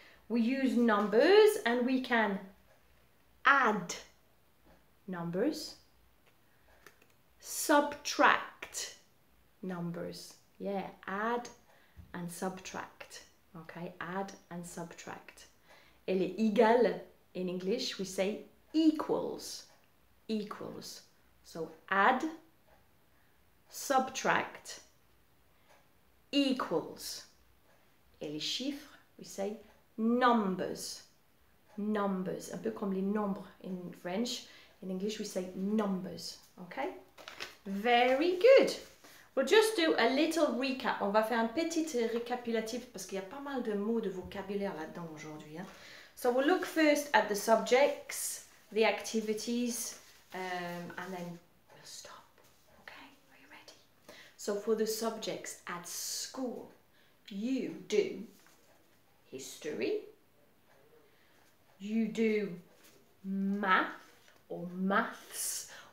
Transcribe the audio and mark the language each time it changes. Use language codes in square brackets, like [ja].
[en] We use numbers and we can add numbers, subtract numbers, yeah, add and subtract, okay? Add and subtract. [fr] Elle est égale, [en] in English, we say equals. So add, subtract, equals. [fr] Et les chiffres, [en] we say numbers. [fr] Un peu comme les nombres in French. [en] In English, we say numbers, okay? Very good. We'll just do a little recap. [fr] On va faire un petit récapitulatif parce qu'il y a pas mal de mots de vocabulaire là-dedans aujourd'hui, hein. [en] So we'll look first at the subjects, the activities, and then we'll stop. Okay, are you ready? So for the subjects at school, you do history, you do mathematics.